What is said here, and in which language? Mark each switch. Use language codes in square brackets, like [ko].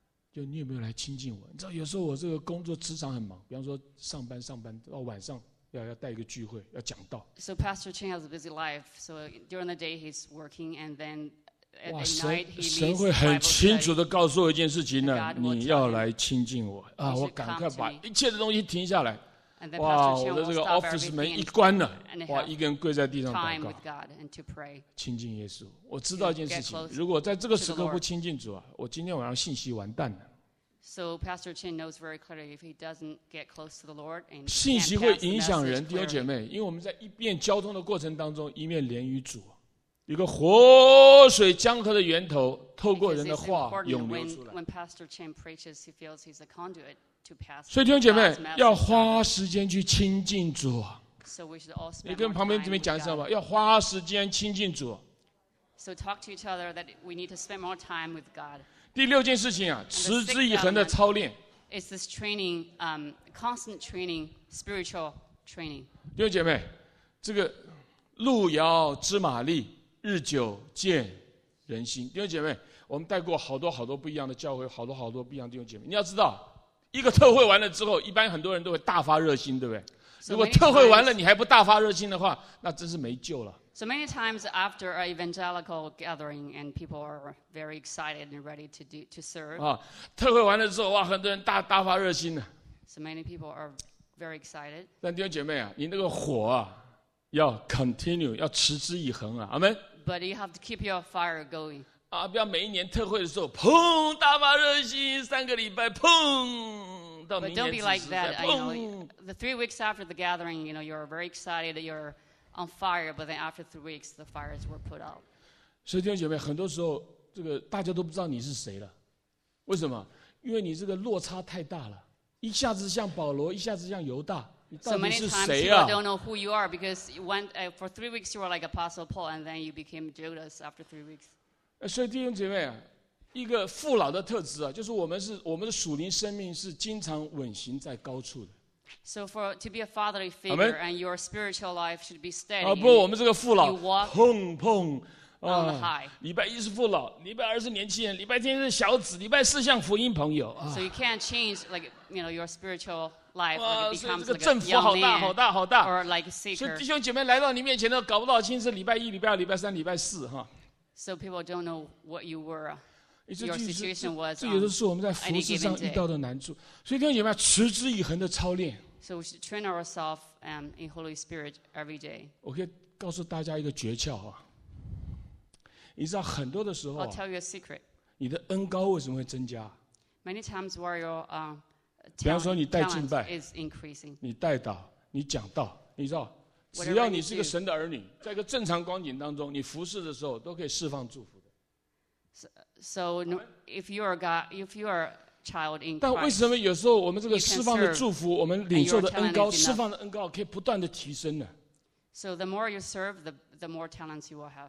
[zh] 就你有没有来亲近我？你知道，有时候我这个工作职场很忙，比方说上班到晚上要带一个聚会要讲道。 [en] So Pastor Chen has a busy life. So during the day he's working, and then [zh] 哇，神会很清楚地告诉我一件事情呢，你要来亲近我啊！我赶快把一切的东西停下来。哇，我的这个 office 门一关呢，哇，一个人跪在地上祷告，亲近耶稣。我知道一件事情，如果在这个时刻不亲近主啊，我今天晚上信息完蛋了。 [en] So Pastor Chen knows very clearly if he doesn't get close to the Lord and [zh] 信息会影响人，弟兄姐妹，因为我们在一边交通的过程当中，一面连于主。一个活水江河的源头透过人的话涌流出来。 [en] When Pastor Chen preaches, he feels he's a conduit to pass. [zh] 所以弟兄姐妹要花时间去亲近主。 [en] So we should all spend. [zh] 你跟旁边这边讲一下吧，要花时间亲近主。 [en] So talk to each other that we need to spend more time with God. [zh] 第六件事情啊，持之以恒的操练。 [en] It's this training, constant training, spiritual training. [zh] 弟兄姐妹，这个路遥知马力。日久见人心，弟兄姐妹，我们带过好多好多不一样的教会，好多好多不一样的弟兄姐妹。你要知道，一个特会完了之后，一般很多人都会大发热心，对不对？如果特会完了你还不大发热心的话，那真是没救了。 [en] So many times after an evangelical gathering, and people are very excited and ready to do to serve. [zh] 啊，特会完了之后，哇，很多人大发热心的。 [en] So many people are very excited. [zh] 但弟兄姐妹啊，你那个火啊。要 [en] continue， [zh] 要持之以恒啊，阿门。 [en] But you have to keep your fire going。 [zh] 啊，不要每一年特会的时候，砰，大发热心，三个礼拜，砰，到明年。 [en] But don't be like that. You know, the 3 weeks after the gathering, you know, you're very excited, you're on fire. But then after 3 weeks, the fires were put out. [zh] 所以弟兄姐妹，很多时候这个大家都不知道你是谁了。为什么？因为你这个落差太大了，一下子像保罗，一下子像犹大。 [en] So many times people don't know who you are because you went, for 3 weeks you were like Apostle Paul and then you became Judas after 3 weeks. [zh] 所以弟兄姐妹，一个父老的特质啊，就是我们的属灵生命是经常稳行在高处的。 [en] So for to be a fatherly figure and your spiritual life should be steady. [zh] 不，我们这个父老，砰砰。啊，礼拜一是父老，礼拜二是年轻人，礼拜天是小子，礼拜四像福音朋友。 [en] So you can't change like you know your spiritual life. [zh] 哇，所以这个振幅好大，好大，好大。 [en] Or like seeker. [zh] 所以弟兄姐妹来到你面前都搞不到清是礼拜一、礼拜二、礼拜三、礼拜四哈。 [en] So people don't know what you were. Your situation was. [zh] 这有时候是我们在服事上遇到的难处。所以弟兄姐妹持之以恒的操练。 [en] So we should train ourselves in Holy Spirit every day. Okay. [zh] 告诉大家一个诀窍啊。你知道很多的时候、啊、 [en] I'll tell you a secret. [zh] 你的恩高为什么会增加？ [en] Many times where your [zh] 比方说你带敬拜 [en] is increasing. [zh] 你带祷，你讲道，你知道只要你是一个神的儿女，在一个正常光景当中，你服侍的时候都可以释放祝福的。 [en] So if you are God, if you are child in Christ, [zh] 但为什么有时候我们这个释放的祝福，我们领受的恩高，释放的恩高可以不断的提升呢？ [en] So the more you serve, the more talents you will have.